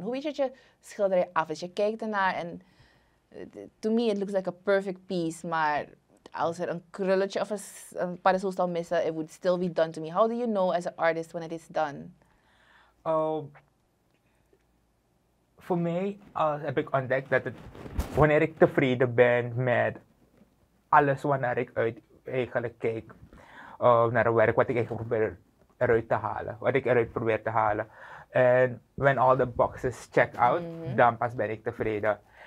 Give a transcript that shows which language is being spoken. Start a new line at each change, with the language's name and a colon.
Dutch: Hoe weet je dat je schilderij af is? Je kijkt ernaar en
English: to me it looks like a perfect piece,
Dutch: maar als er een krulletje of een paddenstoel zou missen,
English: it would still be done to me. How do you know as an artist when it is done?
Dutch: Voor mij heb ik ontdekt dat het, wanneer ik tevreden ben met alles wanneer ik uit eigenlijk kijk naar het werk, wat ik eigenlijk probeer eruit te halen, wat ik eruit probeer te halen. En
English: when all the boxes check out,
Dutch: mm-hmm. dan pas ben ik tevreden.